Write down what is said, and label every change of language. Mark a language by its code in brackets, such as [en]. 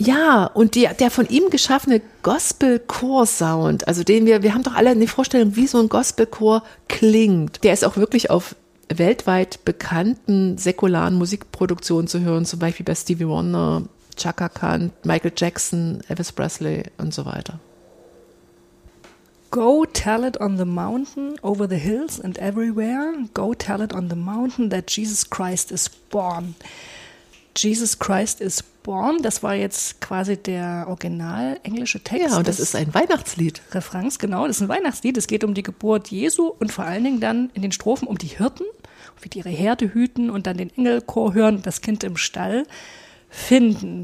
[de] Ja, und der von ihm geschaffene Gospel-Chor-Sound, also wir haben doch alle eine Vorstellung, wie so ein Gospel-Chor klingt. Der ist auch wirklich auf weltweit bekannten säkularen Musikproduktionen zu hören, zum Beispiel bei Stevie Wonder, Chaka Khan, Michael Jackson, Elvis Presley und so weiter. [en] Go tell it on the mountain, over the hills and everywhere. Go tell it on the mountain that Jesus Christ is born. Jesus Christ is born, [de] das war jetzt quasi der original englische Text. Ja, und das ist ein Weihnachtslied. Refrains, genau, das ist ein Weihnachtslied. Es geht um die Geburt Jesu und vor allen Dingen dann in den Strophen um die Hirten, wie die ihre Herde hüten und dann den Engelchor hören, das Kind im Stall finden.